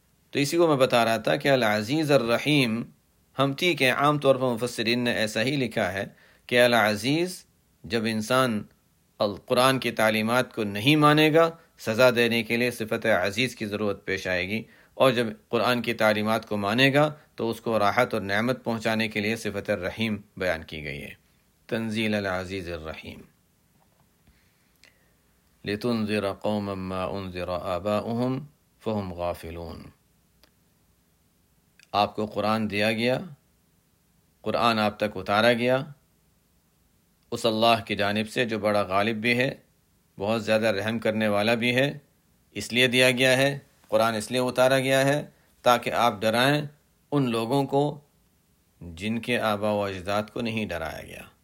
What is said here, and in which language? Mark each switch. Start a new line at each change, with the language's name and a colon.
Urdu: تو اسی کو میں بتا رہا تھا کہ العزیز الرحیم, ہم ٹھیک ہے, عام طور پر مفسرین نے ایسا ہی لکھا ہے کہ العزیز, جب انسان القرآن کی تعلیمات کو نہیں مانے گا, سزا دینے کے لیے صفت عزیز کی ضرورت پیش آئے گی, اور جب قرآن کی تعلیمات کو مانے گا تو اس کو راحت اور نعمت پہنچانے کے لیے صفت الرحیم بیان کی گئی ہے.
Arabic: تنزیل العزیز الرحیم. لتنذر قوما ما انذر آباؤهم فهم غافلون.
Urdu: آپ کو قرآن دیا گیا, قرآن آپ تک اتارا گیا اس اللہ کی جانب سے جو بڑا غالب بھی ہے, بہت زیادہ رحم کرنے والا بھی ہے. اس لیے دیا گیا ہے قرآن, اس لیے اتارا گیا ہے تاکہ آپ ڈرائیں ان لوگوں کو جن کے آبا و اجداد کو نہیں ڈرایا گیا.